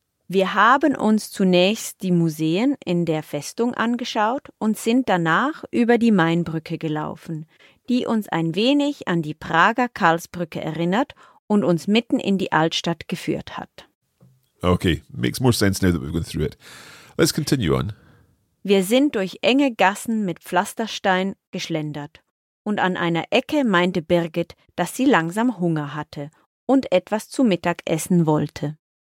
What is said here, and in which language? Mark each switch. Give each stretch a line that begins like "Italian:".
German: Wir haben uns zunächst die Museen in der Festung angeschaut und sind danach über die Mainbrücke gelaufen, die uns ein wenig an die Prager Karlsbrücke erinnert und uns mitten in die Altstadt geführt hat.
English: Okay, makes more sense now that we've gone through it. Let's continue on.
German: Wir sind durch enge Gassen mit Pflasterstein geschlendert. Und an einer Ecke meinte Birgit, dass sie langsam Hunger hatte und etwas zu Mittag essen wollte.